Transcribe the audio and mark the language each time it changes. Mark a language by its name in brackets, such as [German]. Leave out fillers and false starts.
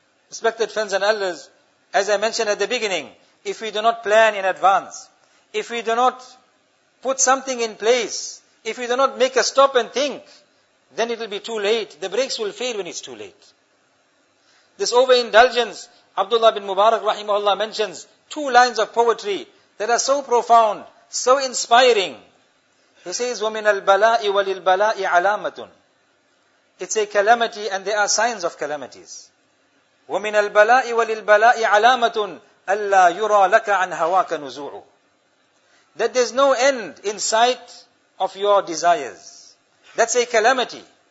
[English] Respected friends and elders, as I mentioned at the beginning, if we do not plan in advance, if we do not put something in place, if we do not make a stop and think, then it will be too late. The brakes will fail when it's too late. This overindulgence, Abdullah bin Mubarak rahimahullah mentions, two lines of poetry that are so profound, so inspiring. He says, [Arabic] وَمِنَ الْبَلَاءِ وَلِلْبَلَاءِ عَلَامَةٌ. [English] It's a calamity and there are signs of calamities. [Arabic] وَمِنَ الْبَلَاءِ وَلِلْبَلَاءِ عَلَامَةٌ أَلَّا يُرَى لَكَ عَنْ هَوَاكَ نُزُوعُ. [English] That there's no end in sight of your desires. That's a calamity.